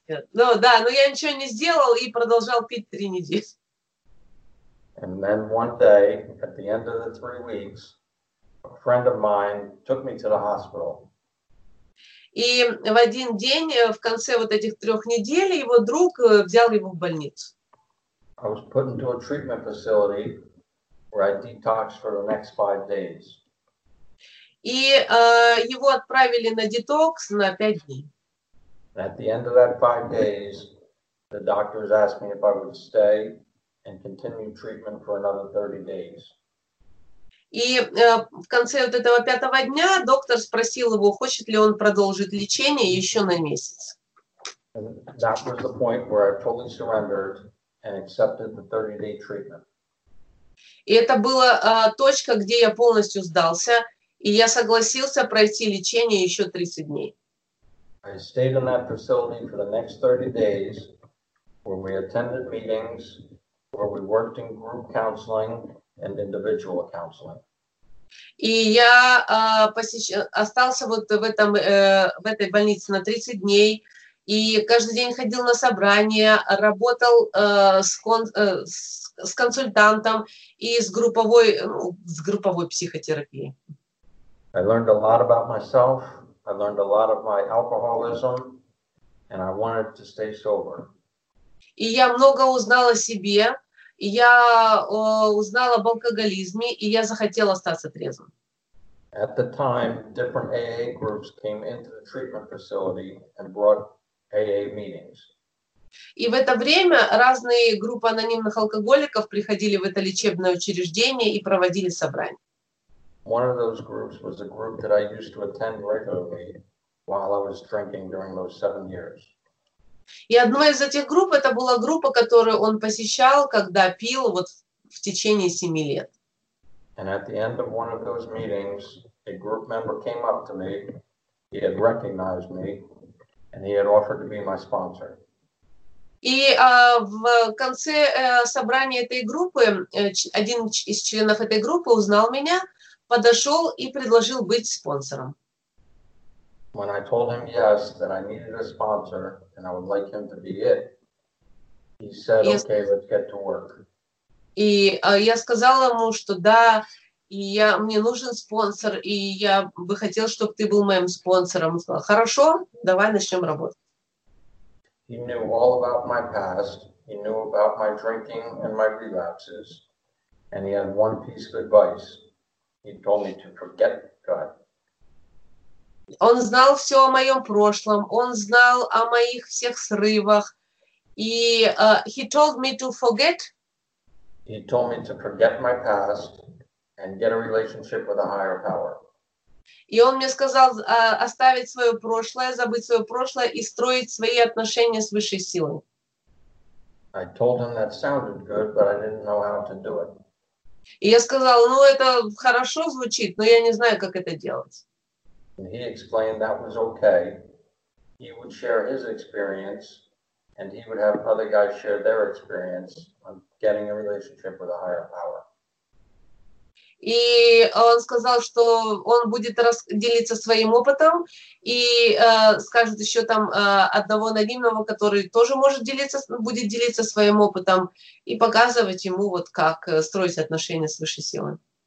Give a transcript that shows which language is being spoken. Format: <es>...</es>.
<ru>Ну да, но я ничего не сделал и продолжал пить 3 недели.</ru> <en>And then one day, at the end of the 3 weeks, a friend of mine took me to the hospital.</en> <ru>И в один день, в конце вот этих 3 недель, его друг взял его в больницу.</ru> <en>I was put into a treatment facility where I detoxed for the next 5 days.</en> <ru>И его отправили на детокс на 5 дней.</ru> <en>At the end of that 5 days, the doctors asked me if I would stay and continue treatment for another 30 days.</en> <ru>И в конце вот этого 5-го дня доктор спросил его, хочет ли он продолжить лечение еще на месяц.</ru> <en>And that was the point where I fully surrendered and accepted the 30-day treatment.</en> <ru>И это была точка, где я полностью сдался, и я согласился пройти лечение еще 30 дней.</ru> <en>I stayed in that facility for the next 30 days, where we attended meetings, where we worked in group counseling and individual counseling.</en> <ru>И я остался вот в этом в этой больнице на 30 дней. И каждый день ходил на собрания, работал с консультантом и с групповой психотерапией.</ru> <en>I learned a lot about myself, I learned a lot of my alcoholism, and I wanted to stay sober.</en> <ru>И я много узнал о себе, я узнал об алкоголизме, и я захотел остаться трезвым.</ru> <en>At the time, different AA groups came into the treatment facility and brought AA meetings.</en> <ru>И в это время разные группы анонимных алкоголиков приходили в это лечебное учреждение и проводили собрания.</ru> <en>One of those groups was a group that I used to attend regularly while I was drinking during those 7 years.</en> <ru>И одна из этих групп это была группа, которую он посещал, когда пил вот в течение 7 лет.</ru> <en>And at the end of one of those meetings, a group member came up to me. He had recognized me. And he had offered to be my sponsor.</en> <ru>И в конце собрания этой группы один из членов этой группы узнал меня, подошел и предложил быть спонсором.</ru> <en>When I told him yes, that I needed a sponsor and I would like him to be it, he said, "Okay, let's get to work."</en> <ru>И я сказал ему, что да, и мне нужен спонсор, и я бы хотел, чтобы ты был моим спонсором. Он сказал, хорошо, давай начнем работать.</ru> <en>He knew all about my past. He knew about my drinking and my relapses. And he had one piece of advice. He told me to forget God.</en> <ru>Он знал все о моем прошлом. Он знал о моих всех срывах.</ru> <en>И he told me to forget. He told me to forget my past. And get a relationship with a higher power.</en> <ru>И он мне сказал оставить свое прошлое, забыть свое прошлое и строить свои отношения с высшей силой.</ru> <en>I told him that sounded good, but I didn't know how to do it.</en> <ru>И я сказал, ну это хорошо звучит, но я не знаю, как это делать.</ru> <en>And he explained that was okay. He would share his experience, and he would have other guys share their experience on getting a relationship with a higher power.</en> <ru>И он сказал, что он будет делиться своим опытом и скажет еще там одного анонимного, который тоже может делиться, будет делиться своим опытом и показывать ему, вот как строить отношения с высшей силой.</ru>